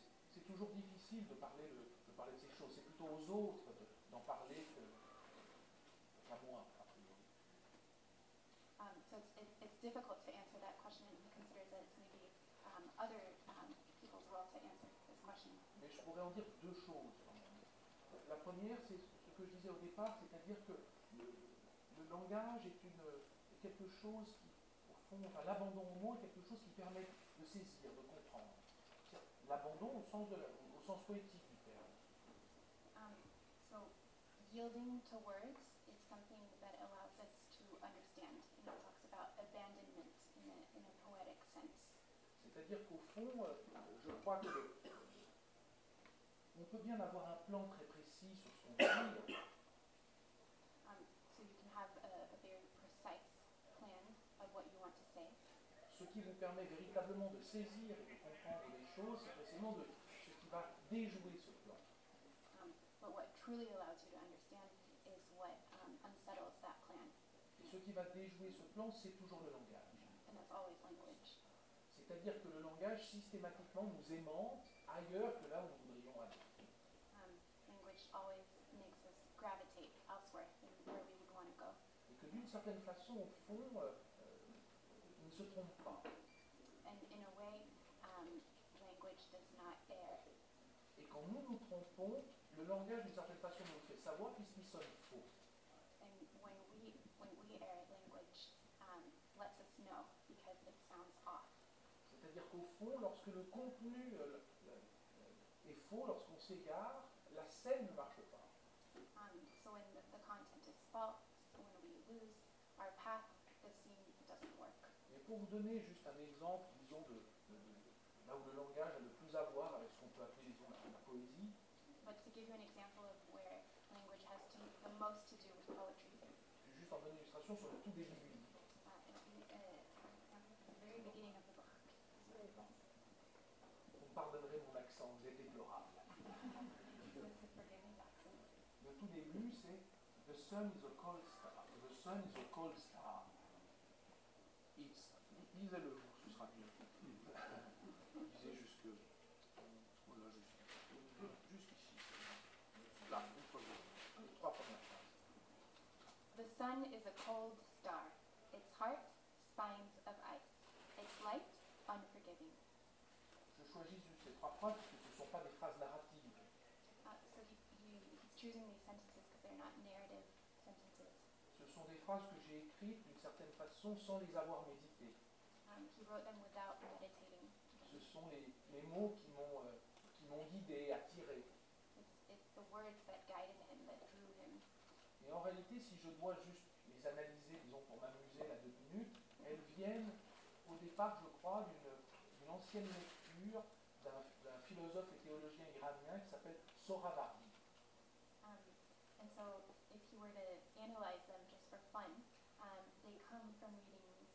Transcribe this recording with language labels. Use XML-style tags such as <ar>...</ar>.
<fr>C'est toujours difficile de parler de ces choses. C'est plutôt aux autres d'en parler qu'à moi, a priori.</fr> <en>So it's difficult to answer that question and consider that it's maybe other people's role to answer this question.</en> <fr>Mais je pourrais en dire deux choses. La première, c'est ce que je disais au départ, c'est-à-dire que le langage est quelque chose qui, au fond, enfin, l'abandon au mot est quelque chose qui permet de saisir, de comprendre. L'abandon au sens poétique du terme.</fr> <en>So, yielding to words is something that allows us to understand. And it talks about abandonment in a poetic sense.</en> <fr>C'est-à-dire qu'au fond, je crois que on peut bien avoir un plan très précis sur ce qu'on veut dire.</fr> <en>So you can have a very precise plan of what you want to say.</en> <fr>Ce qui vous permet véritablement de saisir et de comprendre les choses, c'est précisément ce qui va déjouer ce plan.</fr> <en>But what truly allows you to understand is what unsettles that plan.</en> <fr>Et ce qui va déjouer ce plan, c'est toujours le langage.</fr> <en>And that's always language.</en> <fr>C'est-à-dire que le langage systématiquement nous aimante ailleurs que là où nous voudrions aller.</fr> <en>Language always makes us gravitate elsewhere than where we would want to go.</en> <fr>Et que d'une certaine façon, au fond, ne se trompe pas.</fr> <en>And in a way, language does not err.</en> <fr>Et quand nous nous trompons, le langage d'une certaine façon nous fait savoir puisqu'il sonne faux.</fr> <en>And when we err, language lets us know because it sounds off.</en> <fr>C'est-à-dire qu'au fond, lorsque le contenu est faux, lorsqu'on s'égare, la scène ne marche pas.</fr> <en>So when the content is false, when we lose our path, the scene doesn't work.</en> <fr>Mais pour vous donner juste un exemple, disons, de là où le langage a le plus à voir avec ce qu'on peut appeler, disons, la poésie.</fr> <en>But to give you an example of where language has to, the most to do with poetry.</en> <fr>Je vais juste en donner une illustration sur le tout début du livre.</fr> <en>The very beginning of the book.</en> <fr>Vous pardonnerez mon accent, vous êtes déplorable. Le tout début, c'est</fr> <en>« The sun is a cold star ».« The sun is a cold star ».</en> <fr>Lisez-le, ce sera bien. Lisez jusque. Oh là, jusqu'ici. Là, une fois, trois premières phrases.</fr> <en>The sun is a cold star. Its heart, spines of ice. Its light, unforgiving.</en> <fr>Je choisis juste ces trois phrases parce que ce ne sont pas des phrases narratives.</fr> <en>So he's choosing these sentences because they're not narrative sentences.</en> <fr>Ce sont des phrases que j'ai écrites d'une certaine façon sans les avoir méditées.</fr> <en>He wrote them without meditating.</en> <fr>Ce sont les mots qui m'ont guidé, attiré.</fr> <en>It's the words that guided him, that drew him.</en> <fr>Et en réalité, si je dois juste les analyser, disons pour m'amuser à deux minutes, elles viennent au départ, je crois, d'une ancienne lecture d'un philosophe et théologien iranien qui s'appelle Sohrabardi.</fr> <en>And so, if you were to analyze them just for fun, they come from reading</en>